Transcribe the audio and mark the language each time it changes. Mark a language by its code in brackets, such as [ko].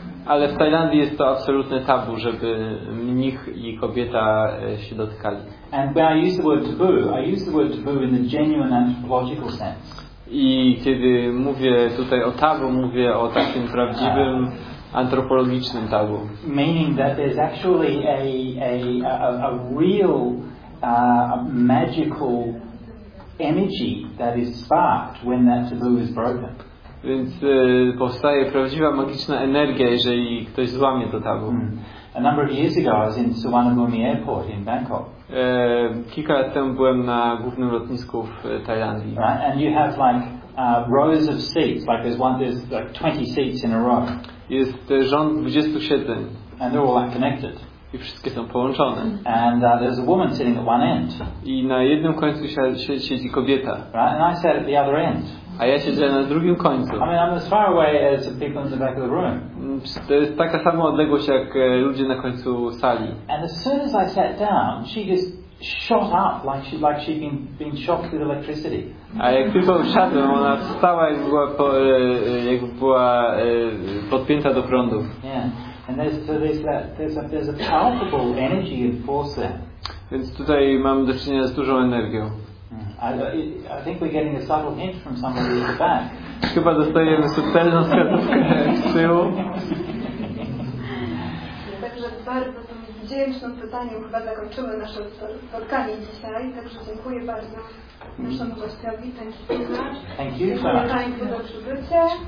[pl] Ale w Tajlandii jest to absolutne tabu, żeby mnich i kobieta się dotykali. [en] And when I use the word taboo, I use the word taboo in the genuine anthropological sense. [pl] I kiedy mówię tutaj o tabu, mówię o takim prawdziwym antropologicznym tabu. [en] Meaning that there's actually a real magical energy that is sparked when that taboo is broken. [pl] Więc powstaje prawdziwa magiczna energia, jeżeli ktoś złamie to tabu. [en] A number of years ago I was in Suvarnabhumi Airport in Bangkok. [pl] Kilka lat temu byłem na głównym lotnisku w Tajlandii. [en] Right, and you have like rows of seats, like there's like 20 seats in a row. [pl] Jest rząd 27. [en] And they're all like connected. [pl] I wszystkie są połączone. [en] And there's a woman sitting at one end. [pl] I na jednym końcu siedzi kobieta. [en] Right, and I sat at the other end. [pl] A ja siedzę na drugim końcu. [en] I mean, I'm as far away as the people in the back of the room. [pl] To jest taka sama odległość jak ludzie na końcu sali. [en] And as soon as I sat down, she just shot up like she'd been shocked with electricity. [pl] A jak tylko usiadłem, ona wstała jakby była podpięta do prądu. [en] Yeah. And there's a palpable energy and force there. [pl] Więc tutaj mamy do czynienia z dużą energią. [en] I think we're getting a subtle hint from somebody at the back. [pl] Chyba dostajemy subtelną wskazówkę z tyłu. Także bardzo tym wdzięcznym pytaniem chyba zakończymy nasze spotkanie dzisiaj. Także dziękuję bardzo naszemu gościowi. [en] Thank you so much. [pl] Dziękuję Państwu za przybycie.